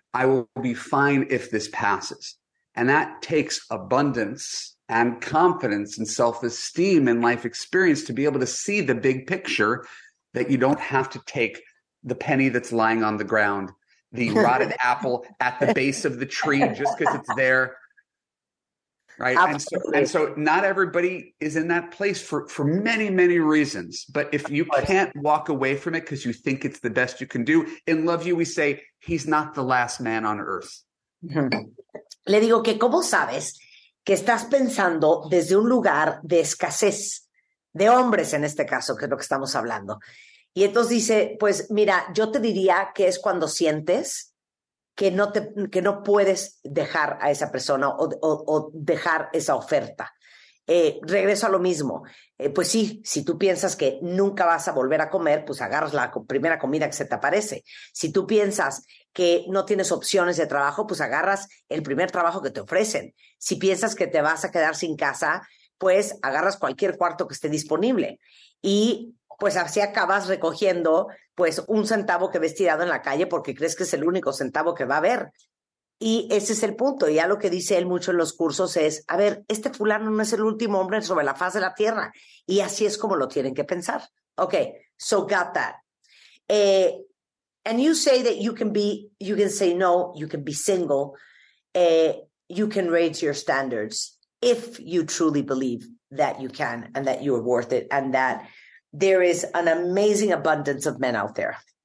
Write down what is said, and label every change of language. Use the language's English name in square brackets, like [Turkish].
[English] I will be fine if this passes. And that takes abundance and confidence and self-esteem and life experience to be able to see the big picture, that you don't have to take the penny that's lying on the ground, the rotted apple at the base of the tree just because it's there. Right. And so not everybody is in that place for many, many reasons. But if you can't walk away from it because you think it's the best you can do, in Love You, we say he's not the last man on earth. [Spanish] Le digo que cómo sabes que estás pensando desde un lugar de escasez, de hombres en este caso, que es lo que estamos hablando. Y entonces dice, pues mira, yo te diría que es cuando sientes que no puedes dejar a esa persona o dejar esa oferta. Regreso a lo mismo. Pues sí, si tú piensas que nunca vas a volver a comer, pues agarras la primera comida que se te aparece. Si tú piensas que no tienes opciones de trabajo, pues agarras el primer trabajo que te ofrecen. Si piensas que te vas a quedar sin casa, pues agarras cualquier cuarto que esté disponible. Y pues así acabas recogiendo pues un centavo que ves tirado en la calle porque crees que es el único centavo que va a haber. Y ese es el punto. Y algo que dice él mucho en los cursos es, a ver, este fulano no es el último hombre sobre la faz de la tierra. Y así es como lo tienen que pensar. [English] Ok, so got that. And you say that you can say no, you can be single, you can raise your standards if you truly believe that you can and that you are worth it and that there is an amazing abundance of men out there.